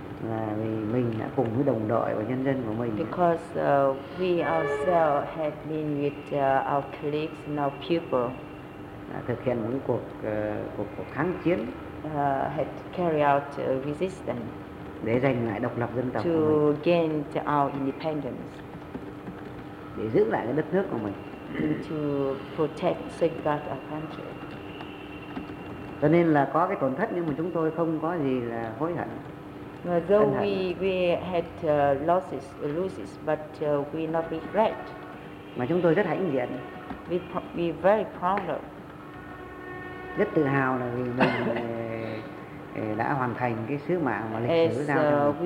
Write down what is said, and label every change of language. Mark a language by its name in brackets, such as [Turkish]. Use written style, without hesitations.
[Vietnamese] Là vì mình đã cùng với đồng đội và nhân dân của mình. [English] Because we ourselves had been with our colleagues and our people. [Vietnamese] Thực hiện một cuộc kháng chiến. [English] Had carried out resistance. [Vietnamese] Để giành lại độc lập dân tộc. [English] To gain our independence. [Vietnamese] Để giữ lại cái đất nước của mình. [English] To protect, safeguard our country. [Vietnamese] Cho nên là có cái tổn thất, nhưng mà chúng tôi không có gì là hối hận. [English] Though we had losses, but we not regret. [Vietnamese] Mà chúng tôi rất hãnh diện. [English] We very proud of. [Vietnamese] Rất tự hào là vì mình đã hoàn thành cái sứ mạng mà lịch sử giao cho mình.